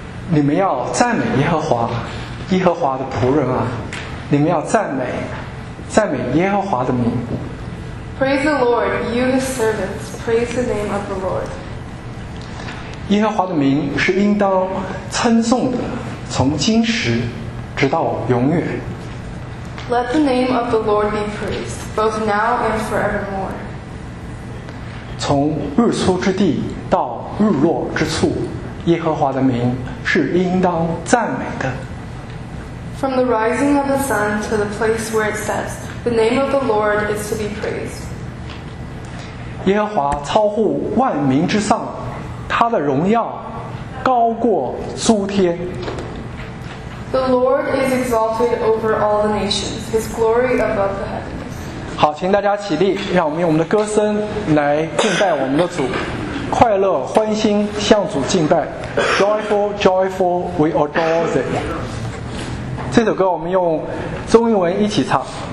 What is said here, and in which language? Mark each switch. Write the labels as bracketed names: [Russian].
[Chinese] 你们要赞美耶和华，耶和华的仆人啊，你们要赞美，赞美耶和华的名。 [English] Praise the Lord, you the servants, praise the name of the Lord. [Chinese] 耶和华的名是应当称颂的，从今时直到永远。 [English] Let the name of the Lord be praised, both now and forevermore. [Chinese] 从日出之地到日落之处，耶和华的名是应当赞美的。 [English] From the rising of the sun to the place where it sets, the name of the Lord is to be praised. [Chinese] 耶和华超乎万民之上，他的荣耀高过诸天。 [English] The Lord is exalted over all the nations, His glory above the heavens. [Chinese] 好，请大家起立，让我们用我们的歌声来敬拜我们的主，快乐欢欣向主敬拜。 [English] Joyful, joyful, we adore thee. [Chinese] 这首歌我们用中英文一起唱。